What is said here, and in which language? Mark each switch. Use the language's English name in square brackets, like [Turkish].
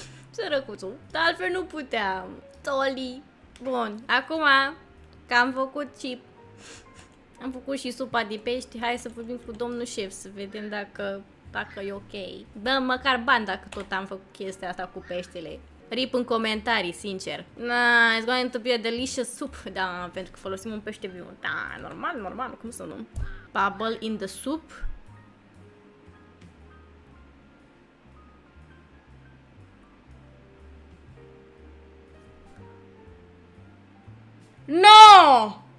[Romanian] Sărăcuțul. Dar altfel nu puteam. Toli. Bun, acum că am făcut și... am făcut și supa de pește, hai să vorbim cu domnul șef să vedem dacă e ok. Dăm măcar bani dacă tot am făcut chestia asta cu peștele. Rip în comentarii, sincer. [English] Nah, it's going to be a delicious soup. [Romanian] Da, pentru că folosim un pește viu. Da, normal, normal, cum să nu. [English] Bubble in the soup. No!